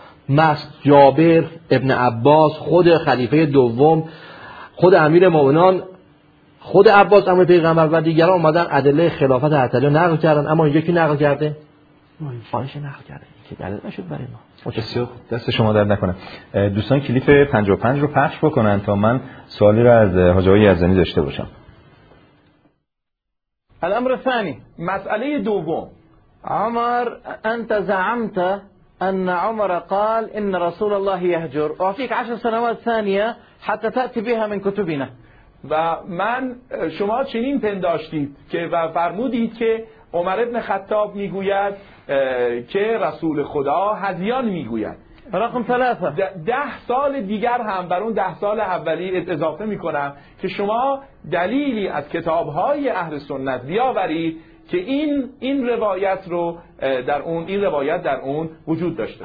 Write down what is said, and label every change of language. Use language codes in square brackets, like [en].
[fa] مست جابر ابن عباس، خود خلیفه دوم، خود امیر مؤمنان، خود عباس امیر پیغمبر و دیگران اومدن ادله خلافت حتی رو نقل کردن، اما اینجا کی نقل کرده؟ عایشه نقل کرده، این که دلیل نشد برای ما. دست شما درد نکنه. دوستان کلیپ 55 رو پخش بکنن تا من سوالی رو از حاجی یزدانی داشته باشم. [ar] الامر ثانی، [fa] مسئله دوم، [ar] عمر انت زعمت ان عمر قال ان رسول الله يهجر وفيك 10 سنوات ثانيه حتى تاتي بها من كتبنا، [fa] و من شما چنین پنداشتید که و فرمودید که عمر ابن خطاب میگوید که رسول خدا هذیان میگوید. [ar] رقم 3، [fa] 10 سال دیگر هم بر اون 10 سال اولی اضافه میکنم که شما دلیلی از کتابهای اهل سنت بیاورید که این روایت رو در اون این روایت در اون وجود داشته.